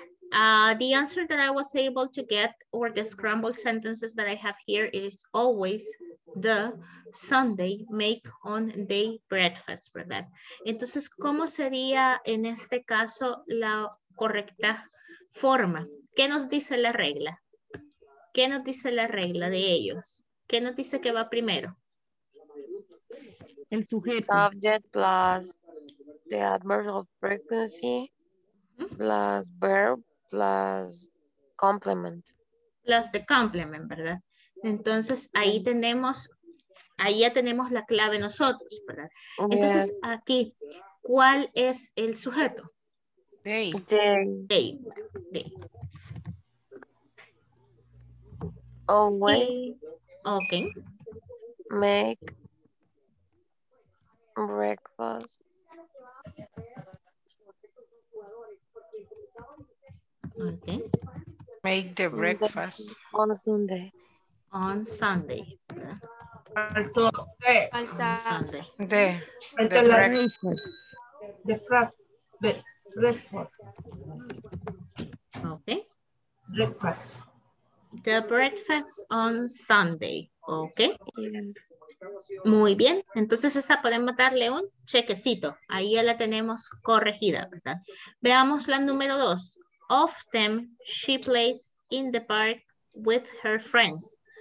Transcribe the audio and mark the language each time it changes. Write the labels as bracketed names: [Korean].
[English] The answer that I was able to get, or the scrambled sentences that I have here, it is always the Sunday make on day breakfast, [Spanish] ¿verdad? Entonces, ¿cómo sería en este caso la correcta forma? ¿Qué nos dice la regla? ¿Qué nos dice la regla de ellos? ¿Qué nos dice que va primero? El sujeto. [English] Subject plus the adverb of frequency plus verb plus complement. Plus the complement, [Spanish] ¿verdad? Entonces ahí tenemos, ahí ya tenemos la clave nosotros, ¿verdad? Entonces aquí, ¿cuál es el sujeto? [English] They. Always. Okay. Make breakfast. Okay. Make the breakfast. On Sunday. On Sunday. [Spanish] Falta. Falta. [English] The. The breakfast. The breakfast. Okay. Breakfast. The breakfast on Sunday, [Spanish] ¿ok? [English] Yes. [Spanish] Muy bien, entonces esa podemos darle un chequecito. Ahí ya la tenemos corregida, ¿verdad? Veamos la número 2. [English] Often she plays in the park with her friends.